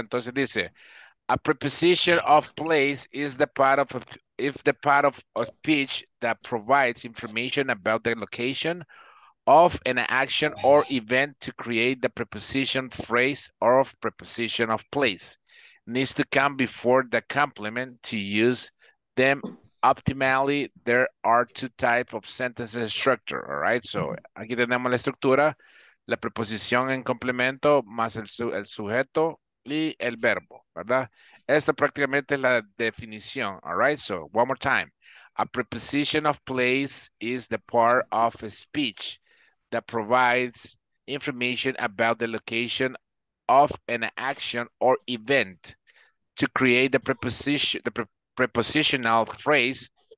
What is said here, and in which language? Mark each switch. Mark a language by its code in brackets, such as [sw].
[es] Entonces dice, [en] a preposition of place is the part of a speech that provides information about the location of an action or event to create the preposition phrase or of preposition of place. Needs to come before the complement to use them optimally. There are two types of sentences structure, all right? [es] So aquí tenemos la estructura, la preposición en complemento más el sujeto y el verbo, ¿verdad? Esta prácticamente es la definición, [en] all right? So one more time. A preposition of place is the part of a speech that provides information about the location of an action or event to create the preposition, the prepositional phrase.